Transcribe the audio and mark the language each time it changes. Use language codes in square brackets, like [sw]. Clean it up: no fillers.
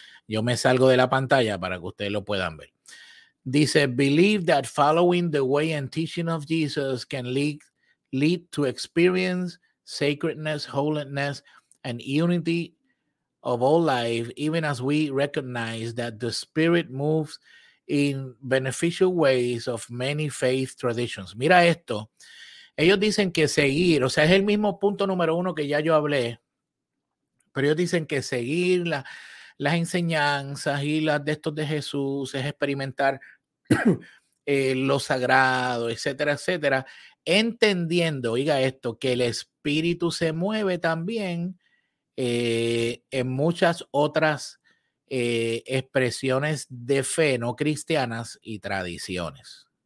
[es] Yo me salgo de la pantalla para que ustedes lo puedan ver. [en] Dice, believe that following the way and teaching of Jesus can lead to experience sacredness, holiness, and unity of all life, even as we recognize that the Spirit moves in beneficial ways of many faith traditions. [es] Mira esto. Ellos dicen que seguir, o sea, es el mismo punto número 1 que ya yo hablé, pero ellos dicen que seguir las enseñanzas y las de estos de Jesús es experimentar lo sagrado, etcétera, etcétera, entendiendo, oiga esto, que el Espíritu se mueve también en muchas otras expresiones de fe no cristianas y tradiciones.